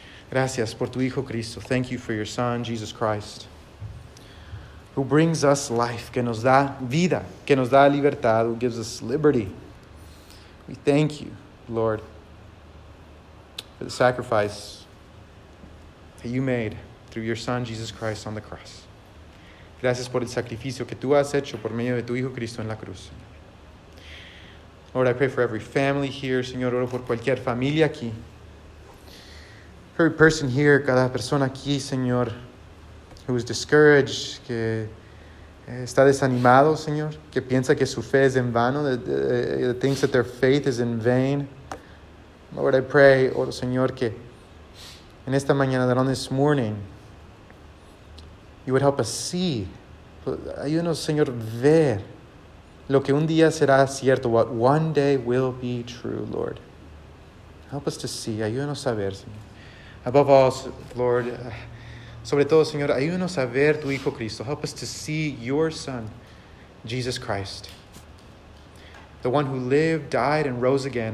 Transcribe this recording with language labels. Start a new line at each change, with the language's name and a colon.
Spanish: Gracias por tu Hijo Cristo.
English: Thank you for your Son, Jesus Christ, who brings us life,
Spanish: que nos da vida, que nos da libertad,
English: who gives us liberty. We thank you, Lord, for the sacrifice that you made through your Son, Jesus Christ, on the cross.
Spanish: Gracias por el sacrificio que tú has hecho por medio de tu Hijo Cristo en la cruz.
English: Lord, I pray for every family here.
Spanish: Señor, oro por cualquier familia aquí.
English: Every person here,
Spanish: cada persona aquí, Señor,
English: who is discouraged,
Spanish: que está desanimado, Señor, que piensa que su fe es en vano,
English: that thinks that their faith is in vain. Lord, I pray,
Spanish: oro, Señor, que en esta mañana,
English: that on this morning, you would help us see.
Spanish: Ayúdanos, Señor, ver. Lo que un día será cierto,
English: what one day will be true, Lord. Help us to see.
Spanish: Ayúdanos a ver, Señor.
English: Above all, Lord,
Spanish: sobre todo, Señor, ayúdanos a ver tu Hijo Cristo.
English: Help us to see your Son, Jesus Christ. The one who lived, died, and rose again.